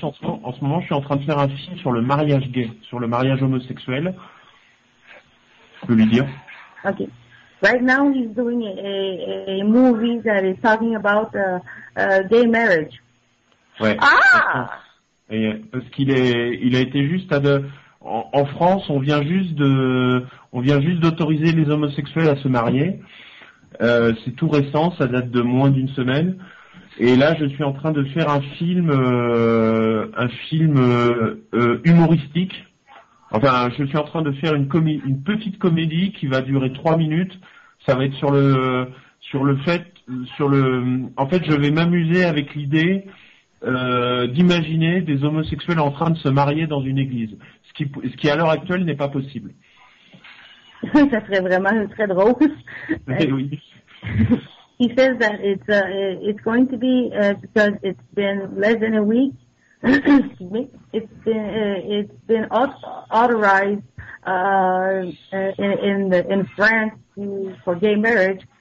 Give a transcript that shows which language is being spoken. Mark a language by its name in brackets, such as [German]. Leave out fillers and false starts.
[French] En ce moment je suis en train de faire un film sur le mariage gay, sur le mariage homosexuel. Je peux lui dire. OK. [English] Right now he's doing a movie that is talking about gay marriage. [French] Ouais. Ah! Et parce qu'il est, il a été juste à de, en France, on vient juste d'autoriser les homosexuels à se marier. C'est tout récent, ça date de moins d'une semaine. Et là, je suis en train de faire un film humoristique. Enfin, je suis en train de faire une petite comédie qui va durer 3 minutes. Ça va être en fait, je vais m'amuser avec l'idée d'imaginer des homosexuels en train de se marier dans une église, ce qui à l'heure actuelle n'est pas possible. Ça serait vraiment très drôle. Oui. [English] He says that it's going to be because it's been less than a week. Excuse me. It's been authorized in France for gay marriage.